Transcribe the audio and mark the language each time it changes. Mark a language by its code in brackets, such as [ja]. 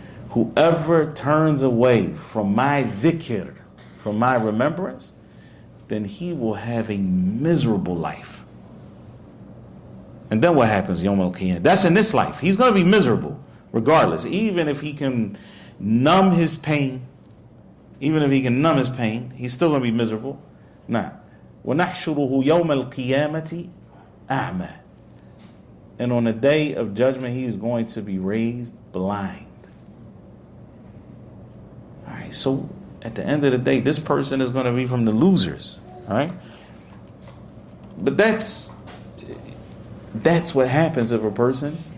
[en] Whoever turns away from my dhikr, from my remembrance, then he will have a miserable life. And then what happens? [ar] يَوْمَ الْقِيَامَةِ. [en] That's in this life. He's going to be miserable. Regardless, even if he can numb his pain, he's still going to be miserable. [ar] Now, وَنَحْشُرُهُ يَوْمَ الْقِيَامَةِ أَعْمَى. [en] And on the day of judgment, he is going to be raised blind. All right, so at the end of the day, this person is going to be from the losers. All right? But that's what happens if a person...